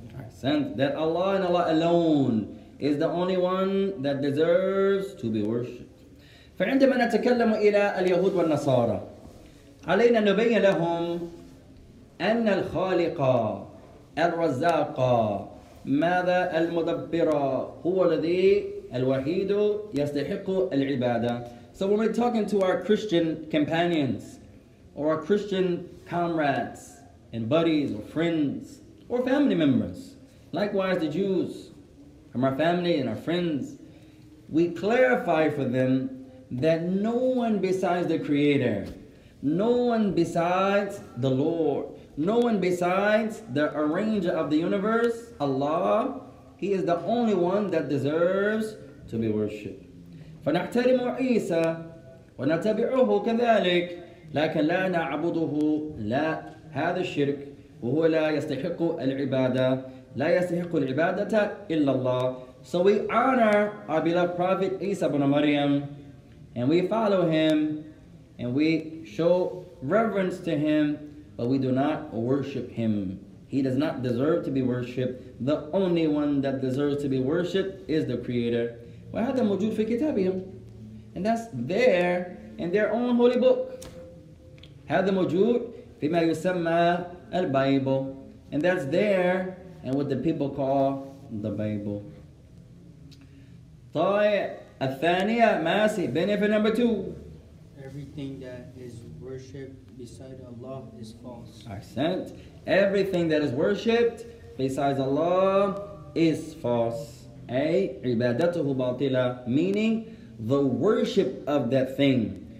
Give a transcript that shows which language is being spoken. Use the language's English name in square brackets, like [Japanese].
[English] Sense that Allah and Allah alone is the only one that deserves to be worshipped. [Arabic] فعندما نتكلم إلى اليهود والنصارى علينا نبين لهم أن الخالق الرزاق ماذا المدبر هو الذي الوحيد يستحق العبادة. [English] So when we're talking to our Christian companions or our Christian comrades and buddies or friends or family members, likewise the Jews from our family and our friends, we clarify for them that no one besides the Creator, no one besides the Lord, no one besides the arranger of the universe, Allah, He is the only one that deserves to be worshipped. [Arabic] فنحترم عيسى ونتبعه كذلك لكن لا نعبده لا هذا الشرك وهو لا يستحق العبادة لا يستحق العبادة إلا الله. [English] So we honor our beloved prophet Isa ibn Maryam and we follow him and we show reverence to him, but we do not worship him. He does not deserve to be worshipped. The only one that deserves to be worshipped is the Creator. [Arabic] وهذا موجود في كتابهم. [English] And that's there in their own holy book. [Arabic] هذا موجود فيما يسمى البيبل. [English] And that's there and what the people call the Bible. [Arabic] طيب الثانية ماسي [English] benefit number two. Everything that is worshipped beside Allah is false. Accent. Everything that is worshipped besides Allah is false. [Arabic] أي عبادته باطلة [English] meaning the worship of that thing.